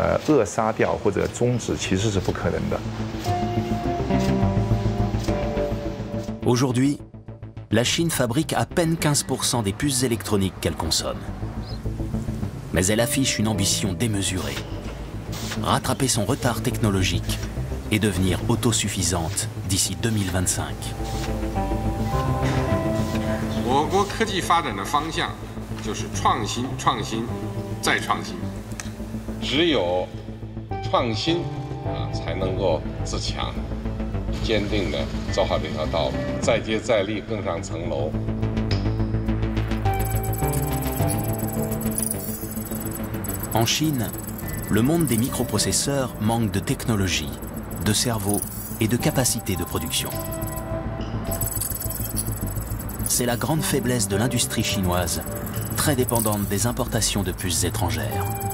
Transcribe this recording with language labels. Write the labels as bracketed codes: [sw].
[zh] 然后你看它那个，对啊，它那个片输出都是定死的。然后呢，但是它并没有禁止我们大部分像我们这样设计公司去使用台湾、韩国或者美国的制造能力，除了像华为这样的个别被禁止，大部分并没有被禁止。那美国的法案呢，更注重于说压制中国的能力，这两个上面角度是不太一样的，慢这个速度，减慢中国的发展。但是，它要让这个发展最终扼杀掉或者终止，其实是不可能的。 [fr] Aujourd'hui, la Chine fabrique à peine 15% des puces électroniques qu'elle consomme. Mais elle affiche une ambition démesurée. Rattraper son retard technologique et devenir autosuffisante d'ici 2025. [zh] 坚定地走好这条道路，再接再厉，更上层楼。 [fr] En Chine, le monde des microprocesseurs manque de technologie, de cerveau et de capacité de production. C'est la grande faiblesse de l'industrie chinoise, très dépendante des importations de puces étrangères.